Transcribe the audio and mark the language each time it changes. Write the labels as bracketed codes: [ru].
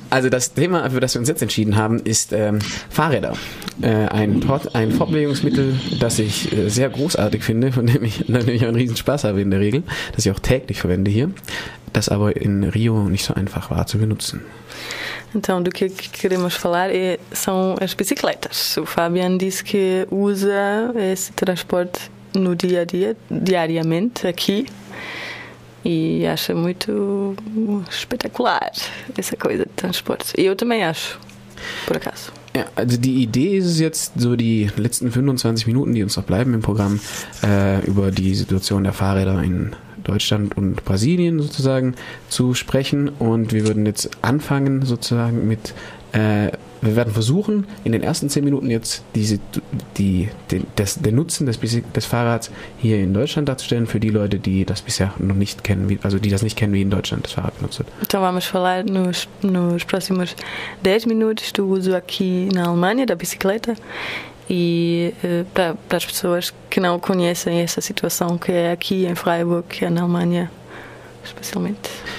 [de] Also das Thema, für das wir uns jetzt entschieden haben, ist Fahrräder. Ein Fortbewegungsmittel, das ich sehr großartig finde, von dem ich natürlich einen riesen Spaß habe in der Regel, das ich auch täglich verwende hier, das aber in Rio nicht so einfach war zu benutzen. [pt] Então, do que queremos falar são as bicicletas. O Fabian disse que usa esse transporte no dia a dia, diariamente, aqui, e acha muito espetacular essa coisa de transporte. E eu também acho, por acaso. [de] Ja, also die Idee ist es jetzt, so die letzten 25 Minuten, die uns noch bleiben im Programm, über die Situation der Fahrräder in Deutschland und Brasilien sozusagen zu sprechen. Und wir würden jetzt anfangen sozusagen mit, wir werden versuchen, in den ersten 10 Minuten jetzt den Nutzen des Fahrrads hier in Deutschland darzustellen, für die Leute, die das bisher noch nicht kennen, die das nicht kennen, wie in Deutschland das Fahrrad benutzt wird. [pt] Então vamos falar nos próximos 10 Minuten do uso aqui na Alemanha da bicicleta e para as pessoas que não conhecem essa situação que é aqui em Freiburg, que é na Alemanha, especialmente.